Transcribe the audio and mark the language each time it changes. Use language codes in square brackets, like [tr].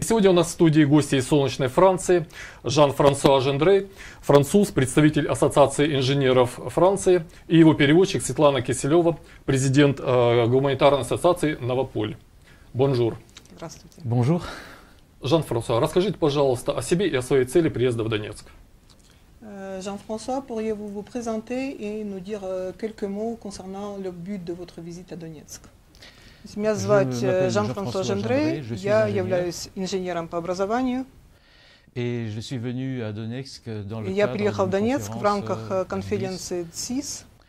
[ru] Сегодня у нас в студии гости из солнечной Франции. Жан-Франсуа Жендрей, француз, представитель Ассоциации инженеров Франции. И его переводчик Светлана Киселева, президент гуманитарной ассоциации «Новополь». [fr] Бонжур. [ru] Здравствуйте. [fr] Бонжур. [ru] Жан-Франсуа, расскажите, пожалуйста, о себе и о своей цели приезда в Донецк. [fr] Jean-François, pourriez-vous vous présenter et nous dire quelques mots concernant le but de votre visite à Donetsk? [ru] Меня зовут Jean-François Жендрей, я являюсь инженером по образованию. [fr] Et je suis venu à Donetsk dans le cadre. [ru] Я приехал в Донецк в рамках конференции ДСИС.